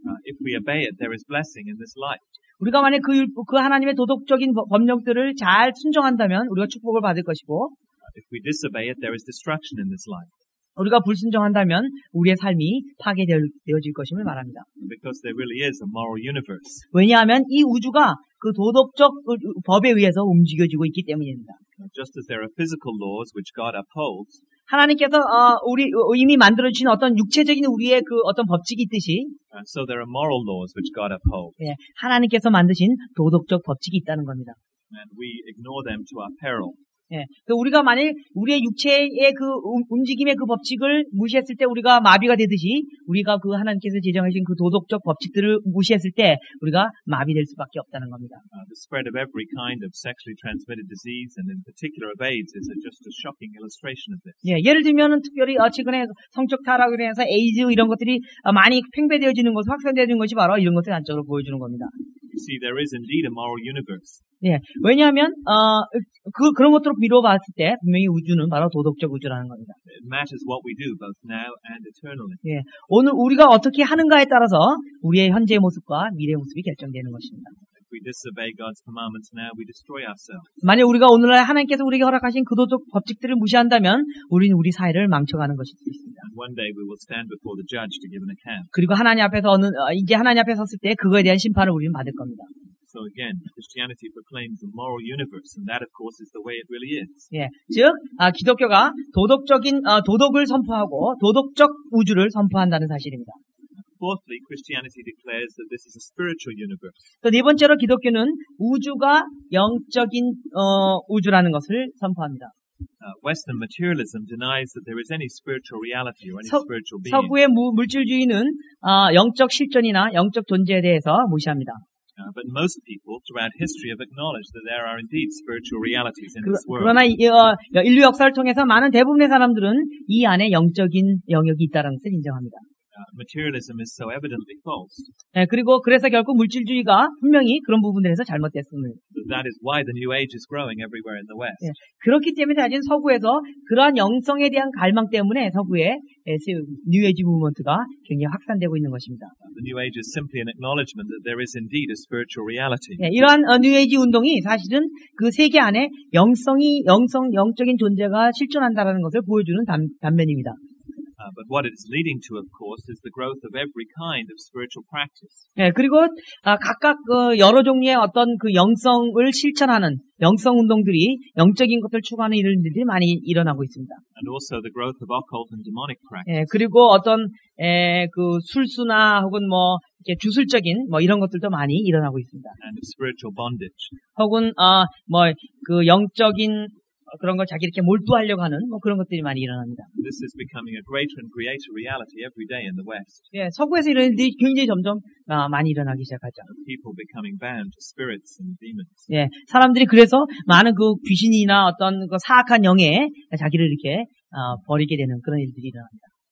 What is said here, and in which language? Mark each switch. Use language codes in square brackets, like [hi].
[en] If we obey it, there is blessing in this life. [ko] 우리가 만약 그 하나님의 도덕적인 법령들을 잘 순종한다면 우리가 축복을 받을 것이고 [en] If we disobey it, there is destruction in this life. [ko] 우리가 불순종한다면 우리의 삶이 파괴되어질 것임을 말합니다. [en] Because there really is a moral universe. [ko] 왜냐하면 이 우주가 그 도덕적 법에 의해서 움직여지고 있기 때문입니다. [en] Just as there are physical laws which God upholds. [ko] 하나님께서 이미 만들어 주신 어떤 육체적인 우리의 그 어떤 법칙이 있듯이 [en] So there are moral laws which God upholds. [ko] 예, 하나님께서 만드신 도덕적 법칙이 있다는 겁니다. [en] And we ignore them to our peril. [ko] 예, 우리가 만일 우리의 육체의 그 움직임의 그 법칙을 무시했을 때 우리가 마비가 되듯이 우리가 그 하나님께서 제정하신 그 도덕적 법칙들을 무시했을 때 우리가 마비될 수밖에 없다는 겁니다. [en] The spread of every kind of sexually transmitted disease and in particular of AIDS is just a shocking illustration of this. [ko] 예, 예를 들면은 특별히 최근에 성적 타락으로 인해서 AIDS 이런 것들이 많이 팽배되어지는 것, 확산되어지는 것이 바로 이런 것을 안적으로 보여주는 겁니다. [en] You see, there is indeed a moral universe. [ko] 예, 왜냐하면 그런 것들로 미뤄봤을 때 분명히 우주는 바로 도덕적 우주라는 겁니다. [en] It matters what we do, both now and eternally. [ko] 예, 오늘 우리가 어떻게 하는가에 따라서 우리의 현재의 모습과 미래의 모습이 결정되는 것입니다. [en] If we disobey God's commandments now, we destroy ourselves. [ko] 만약 우리가 오늘날 하나님께서 우리에게 허락하신 그 도덕 법칙들을 무시한다면 우리는 우리 사회를 망쳐가는 것일 수 있습니다. [en] And one day we will stand before the judge to give an account. [ko] 그리고 하나님 앞에서 이제 하나님 앞에 섰을 때 그거에 대한 심판을 우리는 받을 겁니다. [en] So again, Christianity proclaims a moral universe, and that, of course, is the way it really is. [ko] 예, 즉 기독교가 도덕적인 도덕을 선포하고 도덕적 우주를 선포한다는 사실입니다. [en] Fourthly, Christianity declares that this is a spiritual universe. [ko] 또 네 번째로 기독교는 우주가 영적인 우주라는 것을 선포합니다. [en] Western materialism denies that there is any spiritual reality or any spiritual being. [ko] 서구의 물질주의는 영적 실존이나 영적 존재에 대해서 무시합니다. [en] But most people throughout history have acknowledged that there are indeed spiritual realities in this world. [ko] 그러나 인류 역사를 통해서 많은 대부분의 사람들은 이 안에 영적인 영역이 있다는 것을 인정합니다. [en] Materialism is so evidently false. [ko] 네, 그리고 그래서 결국 물질주의가 분명히 그런 부분들에서 잘못됐습니다. [en] That is why the New Age is growing everywhere in the West. [ko] 네, 그렇기 때문에 아직 서구에서 그러한 영성에 대한 갈망 때문에 서구의 New Age movement가 굉장히 확산되고 있는 것입니다. [en] The New Age is simply an acknowledgement that there is indeed a spiritual reality. [ko] 네, 이러한 New Age 운동이 사실은 그 세계 안에 영적인 존재가 실존한다라는 것을 보여주는 단면입니다. [en] But what it is leading to, of course, is the growth of every kind of spiritual practice. [ko] 예, 그리고 각각 여러 종류의 어떤 그 영성을 실천하는 영성 운동들이 영적인 것을 추구하는 이런 일들이 많이 일어나고 있습니다. [en] And also the growth of occult and demonic practice. [ko] 예, 그리고 어떤 그 술수나 혹은 뭐 이렇게 주술적인 뭐 이런 것들도 많이 일어나고 있습니다. [en] And spiritual bondage. [ko] 혹은 뭐 그 영적인 그런 걸 자기 이렇게 몰두하려고 하는 뭐 그런 것들이 많이 일어납니다. [en] This is becoming a greater and greater reality every day in the West. [ko] 예, 서구에서 이런 일이 굉장히 점점 많이 일어나기 시작하죠. [en] People becoming bound to spirits and demons. [ko] 예, 사람들이 그래서 많은 그 귀신이나 어떤 그 사악한 영에 자기를 이렇게 버리게 되는 그런 일들이 일어납니다.